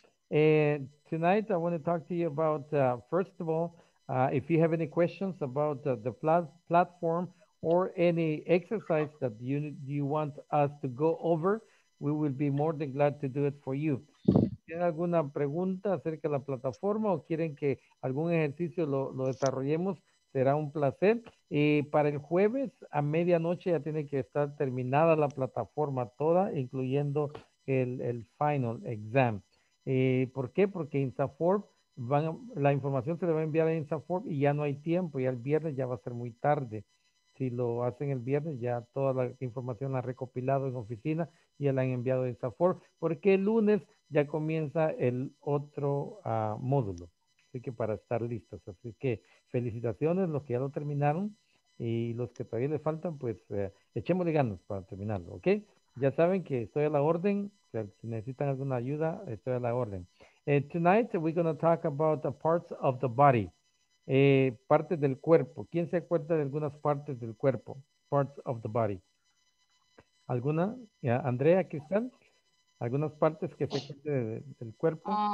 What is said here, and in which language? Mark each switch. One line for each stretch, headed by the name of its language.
English: And tonight, I want to talk to you about, first of all, if you have any questions about the platform or any exercise that you want us to go over, we will be more than glad to do it for you.
Spanish: ¿Tienen alguna pregunta acerca de la plataforma o quieren que algún ejercicio lo desarrollemos? Será un placer. Y para el jueves a medianoche ya tiene que estar terminada la plataforma toda, incluyendo el final exam. ¿Por qué? Porque INSAFORP, la información se le va a enviar a INSAFORP y ya no hay tiempo. Ya el viernes ya va a ser muy tarde. Si lo hacen el viernes, ya toda la información la han recopilado en oficina y ya la han enviado a INSAFOR, porque el lunes ya comienza el otro módulo. Así que para estar listos. Así que felicitaciones los que ya lo terminaron y los que todavía le faltan, pues echémosle ganas para terminarlo, ¿ok? Ya saben que estoy a la orden. Si necesitan alguna ayuda, estoy a la orden.
English: Tonight we're going to talk about the parts of the body.
Spanish: Partes del cuerpo. ¿Quién se acuerda de algunas partes del cuerpo?
English: Parts of the body.
Spanish: ¿Alguna? Yeah. Andrea, Cristian, ¿algunas partes que se acuerda del cuerpo?